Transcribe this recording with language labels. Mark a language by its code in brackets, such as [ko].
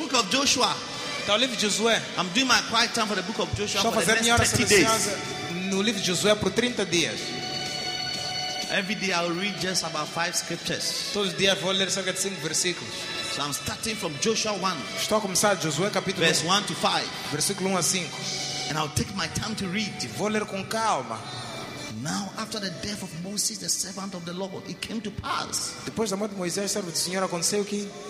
[en] Joshua. [pt] Livro de Josué. [en] I'm doing my quiet time for the book of Joshua. [pt] Estou fazendo minha oração silenciosa no livro de Josué por 30 dias. [en] Every day I'll read just about 5 scriptures. [pt] Todos os dias vou ler cerca de 5 versículos. [en] So I'm starting from Joshua 1. [pt] Estou a começar de Josué capítulo [en] 1. Verse 1 to 5. [pt] Versículo 1 a 5. [en] And I'll take my time to read. [pt] Vou ler com calma. [en] Now after the death of Moses the servant of the Lord, it came to pass. [pt] Depois da morte de Moisés, servo do Senhor, aconteceu que